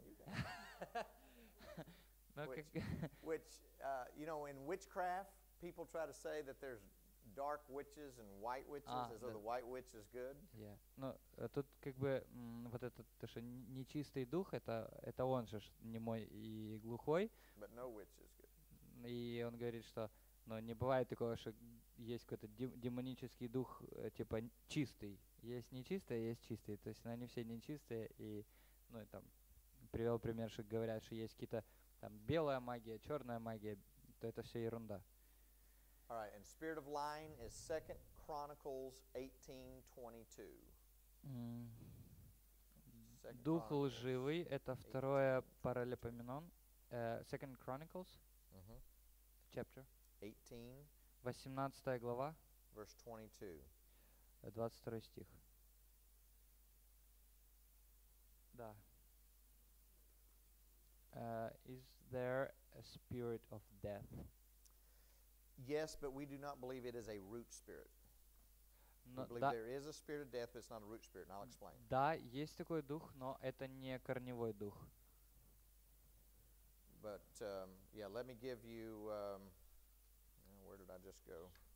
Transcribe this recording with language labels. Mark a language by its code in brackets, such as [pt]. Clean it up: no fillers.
[en] You got. which, you know, in witchcraft, people try to say that there's dark witches and white witches, as though the white witch is good. Yeah. [ru] Но тут как бы вот этот, то что нечистый дух, это он же немой и глухой. [en] But no witch is good. [ru] И он говорит, что, но не бывает такого, что есть какой-то демонический дух типа чистый. Есть нечистый, есть чистый. То есть они все нечистые. И, ну, и там привел пример, что говорят, что есть какие-то там белая магия, черная магия, то это все ерунда. [en] All right, and spirit of lying is 2 Chronicles 18:22. [ru] Дух лживый, это второе Паралипоменон. [en] 2 Chronicles, chapter 18, [ru] 18 глава, [en] verse 22. [ru] 22 стих. Да. [en] Is there a spirit of death? Yes, but we do not believe it is a root spirit. No, we believe there is a spirit of death, but it's not a root spirit, and I'll explain. [ru] Да, есть такой дух, но это не корневой дух. [en] But, yeah, let me give you, where did I just go?